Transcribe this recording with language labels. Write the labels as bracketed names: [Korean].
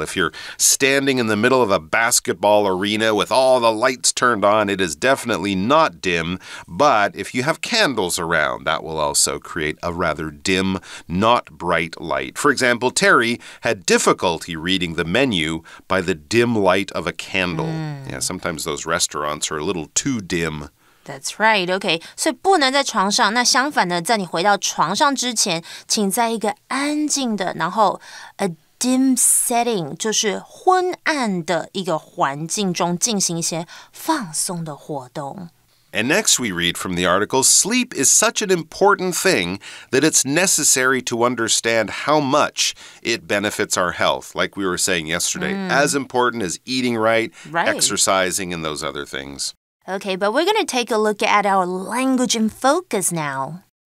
[English] If you're standing in the middle of a basketball arena with all the lights turned on, it is definitely not dim, but if you have candles around, that will also create a rather dim, not bright light. For example, Terry had difficulty reading the menu by the dim light of a candle. Yeah, sometimes those restaurants are a little too dim. That's right, okay. [Chinese] 所以不能在床上，那相反的，在你回到床上之前，请在一个安静的，然后 [English] a dim setting, [Chinese] 就是昏暗的一个环境中进行一些放松的活动。 [English] And next we read from the article, sleep is such an important thing that it's necessary to understand how much it benefits our health. Like we were saying yesterday, as important as eating right, exercising, and those other things. Okay, but we're going to take a look at our language and focus now.